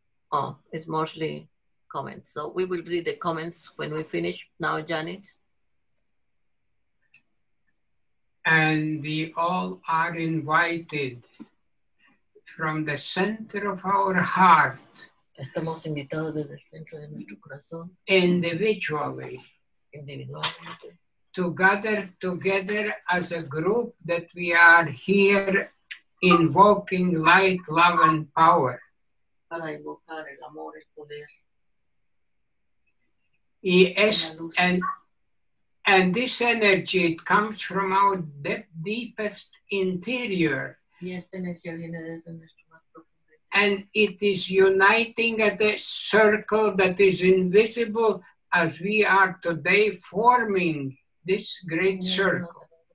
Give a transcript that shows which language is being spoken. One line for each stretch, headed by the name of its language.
English: Oh, it's mostly comments. So we will read the comments when we finish. Now, Janet. And we all are invited from the center of our heart.
Spanish: Estamos invitados desde el centro de nuestro corazón.
English: Individually.
Spanish: Individualmente.
English: To gather together as a group that we are here invoking light, love, and power.
Spanish: Para invocar el amor, el poder. Y es,
English: and this energy, it comes from our deepest interior.
Spanish: Y esta energía viene desde nuestro más profundo.
English: And it is uniting at a circle that is invisible as we are today forming this great circle.